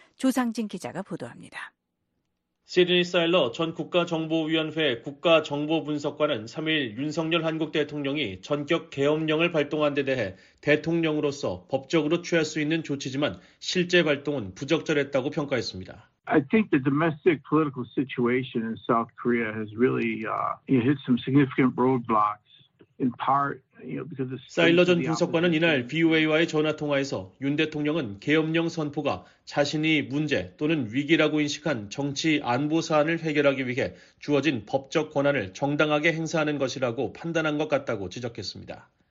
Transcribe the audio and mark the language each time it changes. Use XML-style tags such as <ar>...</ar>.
<ko>조상진 기자가 보도합니다. 시드니 사일러 전 국가정보위원회 국가정보분석관은 3일 윤석열 한국 대통령이 전격 계엄령을 발동한 데 대해 대통령으로서 법적으로 취할 수 있는 조치지만 실제 발동은 부적절했다고 평가했습니다.</ko> <en>I think the domestic political situation in South Korea has really hit some significant roadblocks in part.</en> <ko>사일러 전 분석관은 이날 VOA와의 전화통화에서 윤 대통령은 계엄령 선포가 자신이 문제 또는 위기라고 인식한 정치 안보 사안을 해결하기 위해 주어진 법적 권한을 정당하게 행사하는 것이라고 판단한 것 같다고 지적했습니다.</ko>